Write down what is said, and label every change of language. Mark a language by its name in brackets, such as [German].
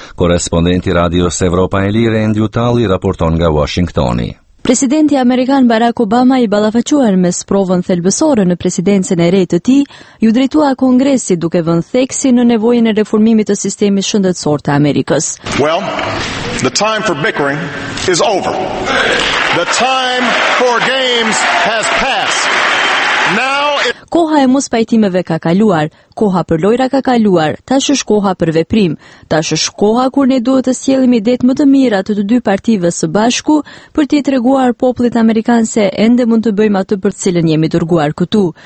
[Albanian] Korrespondenti Radios Evropa e Lirë Andrew Talli raporton nga Washingtoni. Presidenti amerikan Barack Obama i ballafaquar me sprovën thelbësore në presidencën e re të tij, ju drejtua Kongresit duke vënë theksi në nevojën e reformimit të sistemit shëndetësor të Amerikës. [English] Well, the time for bickering is over. The time for games has passed. Now it... [Albanian] Koha e mos pajtimeve ka kaluar, koha për lojra ka kaluar, tash është koha për veprim, tash është koha kur ne duhet të sjellim idetë më të mira të dy partive së bashku për t'i treguar popullit amerikan se ende mund të bëjmë atë për të cilën jemi dërguar këtu.